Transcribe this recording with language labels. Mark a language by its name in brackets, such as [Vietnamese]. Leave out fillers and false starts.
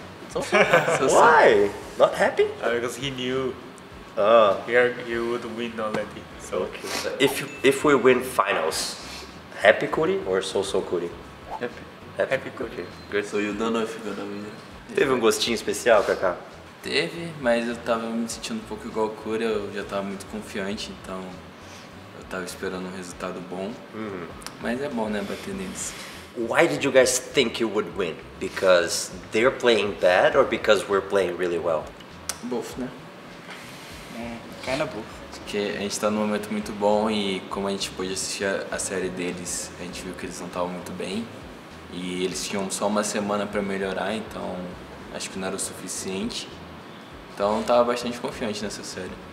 [English] So sad. Why? Not happy? Because he knew he would win already. So okay. If we win finals, happy Kuri or so Kuri? Happy Kuri. Okay. Good. So you don't know if you're gonna win. [Portuguese] Teve um gostinho especial, Kaká? Teve, mas eu tava me sentindo um pouco igual o Kuri, eu já tava muito confiante, então eu tava esperando um resultado bom. Mas é bom, né, bater neles. [English] Why did you guys think you would win? Because they're playing bad or because we're playing really well? Both, né? Kind of both. [Portuguese] Porque a gente tá num momento muito bom e como a gente pôde assistir a série deles, a gente viu que eles não estavam muito bem. E eles tinham só uma semana pra melhorar, então acho que não era o suficiente. Então eu tava bastante confiante nessa série.